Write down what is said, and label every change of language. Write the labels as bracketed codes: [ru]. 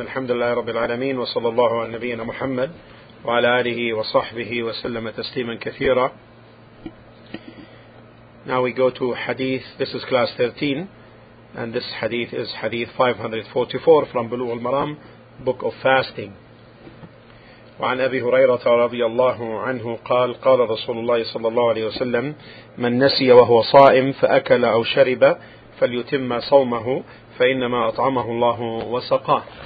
[ar] الحمد لله رب العالمين، وصلى الله على نبينا محمد وعلى آله وصحبه وسلم تسليما كثيرا. [en] Now we go to hadith. This is class 13, and this hadith is hadith 544 from Bulugh al-Maram, Book of Fasting. [ar] وعن أبي هريرة رضي الله عنه قال قال رسول الله صلى الله عليه وسلم من نسي وهو صائم فأكل أو شرب فليتم صومه فإنما أطعمه الله وسقاه.